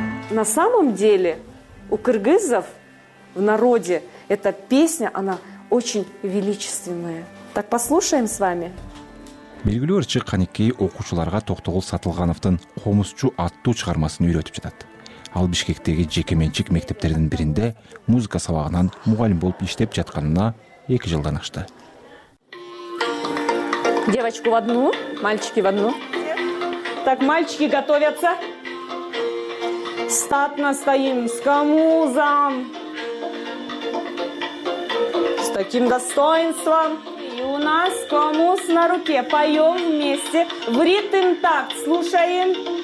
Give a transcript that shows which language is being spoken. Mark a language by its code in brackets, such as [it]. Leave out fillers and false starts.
[ru] На самом деле у кыргызов в народе эта песня, она очень величественная. Так послушаем с вами. [ky] Белгилүү ырчы Каникей окуучуларга Токтогул Сатылгановдун Комузчу аттуу чыгармасын үйрөтүп жатат. Ал Бишкектеги жекеменчик мектептердин биринде музыка сабагынан мугалим болуп иштеп жатканына 2 жылдан ашты. [ru] Девочку в одну, мальчики в одну. Так, мальчики готовятся. статно стоим, с камузом, с таким достоинством. И у нас камуз на руке, поем вместе в ритм такт, слушаем.